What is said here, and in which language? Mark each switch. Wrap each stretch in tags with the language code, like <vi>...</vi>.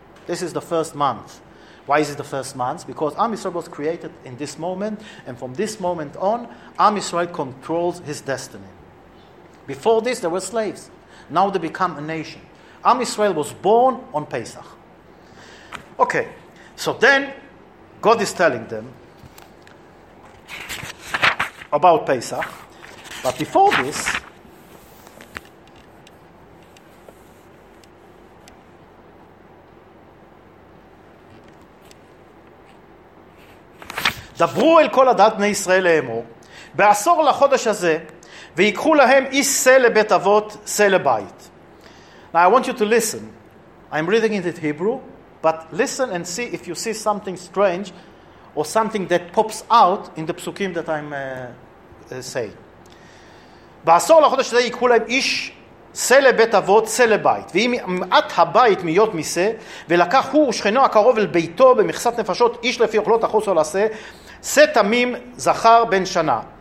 <en>This is the first month. Why is it the first month? Because Am Yisrael was created in this moment, and from this moment on, Am Yisrael controls his destiny. Before this, they were slaves. Now they become a nation. Am Yisrael was born on Pesach. Okay, so then God is telling them about Pesach, but before this,</en> <he>דברו אל כל עדת בני ישראל לאמור, בעשור לחודש הזה, ויקחו להם איש שה לבית אבות, שה לבית.</he> <en>Now I want you to listen. I'm reading it in Hebrew, but listen and see if you see something strange or something that pops out in the psukim that I'm saying.</en> <he>בעשור לחודש הזה יקחו להם איש שה לבית אבות, שה לבית. ואם מעט הבית מיות משה, ולקח הוא ושכנו הקרוב אל ביתו במכסת נפשות, איש לפי אוכלות החוס או לשה, שה תמים זכר בן שנה.</he>